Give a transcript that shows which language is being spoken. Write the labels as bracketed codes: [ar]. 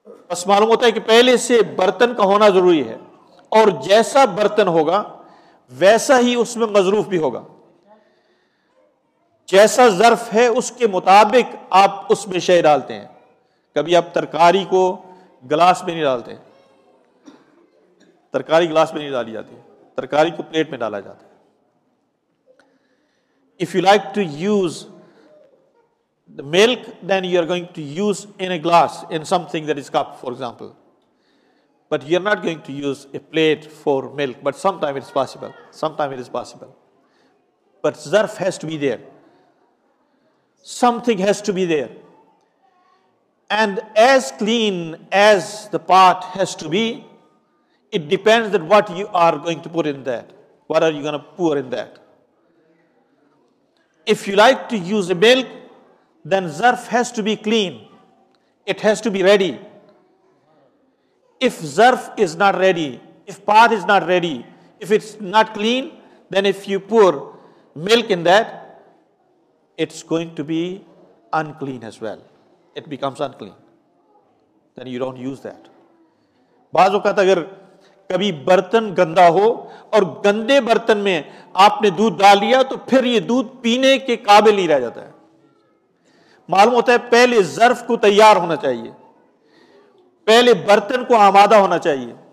[ur] بس معلوم ہوتا ہے کہ پہلے سے برتن کا ہونا ضروری ہے, اور جیسا برتن ہوگا ویسا ہی اس میں مظروف بھی ہوگا. جیسا ظرف ہے اس کے مطابق آپ اس میں شے ڈالتے ہیں. کبھی آپ ترکاری کو گلاس میں نہیں ڈالتے, ترکاری گلاس میں نہیں ڈالی جاتی, ترکاری کو پلیٹ میں ڈالا جاتا ہے. [en] If you like to use the milk, then you are going to use in a glass, in something that is cup, for example. But you are not going to use a plate for milk. But sometime it is possible. Sometime it is possible. But zarf has to be there. Something has to be there. And as clean as the pot has to be, it depends that what you are going to put in that. What are you going to pour in that? If you like to use a milk, then zarf has to be clean. It has to be ready. If zarf is not ready, if pot is not ready, if it's not clean, then if you pour milk in that, it's going to be unclean as well. It becomes unclean. Then you don't use that. [ur] بعض اوقات اگر کبھی برتن گندا ہو اور گندے برتن میں آپ نے دودھ ڈال لیا تو پھر یہ دودھ پینے کے قابل نہیں رہ جاتا ہے. معلوم ہوتا ہے پہلے ظرف کو تیار ہونا چاہیے, پہلے برتن کو آمادہ ہونا چاہیے.